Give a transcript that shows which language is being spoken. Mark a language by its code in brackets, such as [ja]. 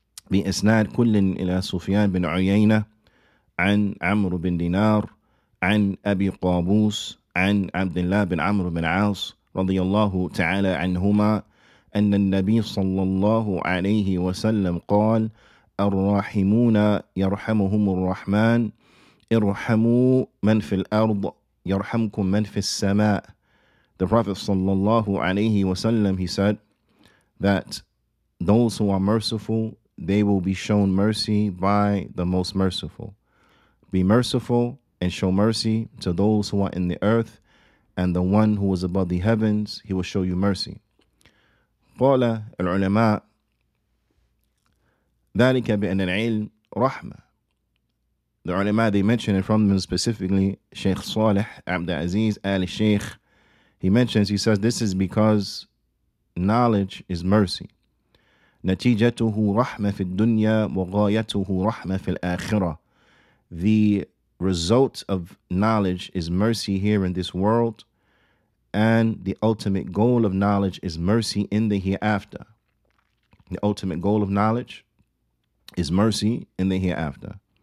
[ar] بإسناد كل إلى سفيان بن عيينة عن عمرو بن دينار عن أبي قابوس عن عبد الله بن عمرو بن عاص رضي الله تعالى عنهما أن النبي صلى الله عليه وسلم قال الراحمون يرحمهم الرحمن ارحموا من في الأرض يرحمكم من في السماء. [en] The Prophet sallallahu alayhi wasallam, he said that those who are merciful, they will be shown mercy by the most merciful. Be merciful and show mercy to those who are in the earth, and the one who is above the heavens, he will show you mercy. [ar] قال العلماء ذلك بأن العلم رحمة. [en] The ulama, they mentioned it from them specifically, Shaykh Saleh Abd al-Aziz al-Shaykh. He mentions, he says, this is because knowledge is mercy. [ar] نتيجته رحمة في الدنيا وغايته رحمة في الآخرة. [en] The result of knowledge is mercy here in this world, and the ultimate goal of knowledge is mercy in the hereafter. The ultimate goal of knowledge is mercy in the hereafter.